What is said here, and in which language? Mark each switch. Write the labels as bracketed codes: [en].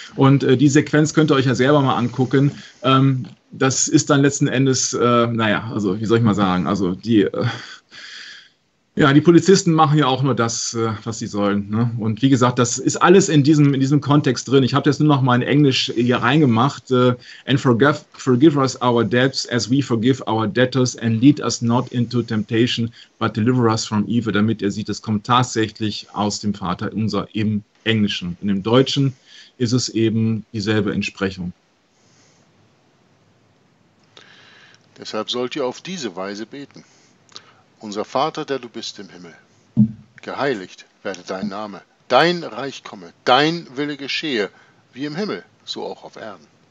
[de] Und die Sequenz könnt ihr euch ja selber mal angucken. Das ist dann letzten Endes, also wie soll ich mal sagen, also die... Ja, die Polizisten machen ja auch nur das, was sie sollen. Ne? Und wie gesagt, das ist alles in diesem Kontext drin. Ich habe das nur noch mal in Englisch hier reingemacht. [en] And forgive us our debts as we forgive our debtors and lead us not into temptation, but deliver us from evil. [de] Damit ihr seht, das kommt tatsächlich aus dem Vater unser im Englischen. In dem Deutschen ist es eben dieselbe Entsprechung. Deshalb sollt ihr auf diese Weise beten. Unser Vater, der du bist im Himmel, geheiligt werde dein Name, dein Reich komme, dein Wille geschehe, wie im Himmel, so auch auf Erden.